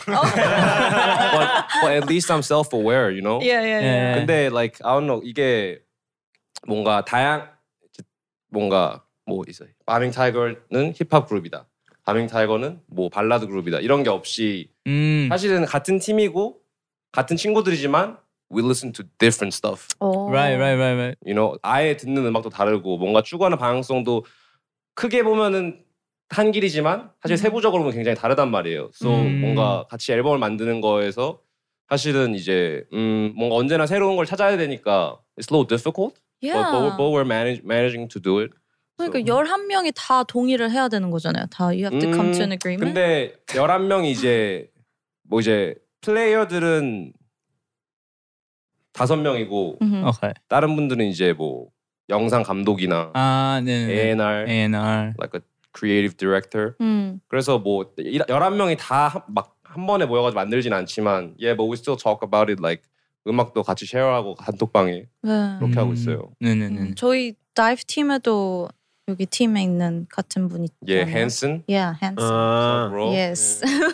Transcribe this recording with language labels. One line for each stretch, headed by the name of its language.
English: but at least I'm self-aware, you know? Yeah.
Korean: 근데
English: like I don't know
Korean: 이게 뭔가 다양 뭔가 뭐 있어요. 파밍 타이거는 힙합 그룹이다. 파밍 타이거는 뭐 발라드 그룹이다. 이런 게 없이 사실은 같은 팀이고 같은 친구들이지만
English: we listen to different stuff. Oh. Right. You know,
Korean: 아예 듣는 음악도 다르고 뭔가 추구하는 방향성도 크게 보면은 한 길이지만 사실 세부적으로 보면 굉장히 다르단 말이에요.
English: So
Korean: 뭔가 같이 앨범을 만드는 거에서 사실은 이제 뭔가 언제나 새로운 걸 찾아야 되니까
English: it's a little difficult. Yeah. But we're managing to do it.
Korean: 그러니까
English: so.
Korean: 11명이 다 동의를 해야 되는 거잖아요. 다
English: you have to come to an agreement.
Korean: 근데 11명이 이제 뭐 이제 플레이어들은 5명이고
English: okay.
Korean: 다른 분들은 이제 뭐 영상 감독이나 아, 네네.
English: A&R like a creative director.
Korean: 그래서 뭐 11명이 다 막 한 번에 모여 가지고 만들진 않지만 예
English: yeah, but we still talk about it like
Korean: 음악도 같이 쉐어하고 단톡방에 그렇게 하고 있어요. 네네네. 저희 다이브 팀에도 여기 팀에 있는 같은 분이 예, 헨슨? 예, 헨슨. 예스.